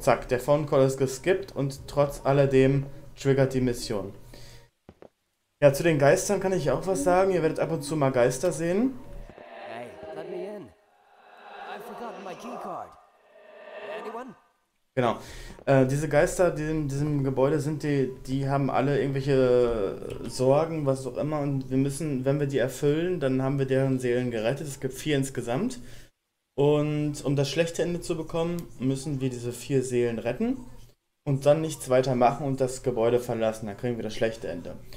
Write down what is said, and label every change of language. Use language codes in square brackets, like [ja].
[de] Zack, der Phone Call ist geskippt und trotz alledem triggert die Mission. Ja, zu den Geistern kann ich auch was sagen. Ihr werdet ab und zu mal Geister sehen. [en] Hey, let me in. I've forgotten my keycard. Anyone? [de] Genau. Diese Geister, die in diesem Gebäude sind, die haben alle irgendwelche Sorgen, was auch immer. Und wir müssen, wenn wir die erfüllen, dann haben wir deren Seelen gerettet. Es gibt 4 insgesamt. Und um das schlechte Ende zu bekommen, müssen wir diese 4 Seelen retten und dann nichts weiter machen und das Gebäude verlassen. Dann kriegen wir das schlechte Ende.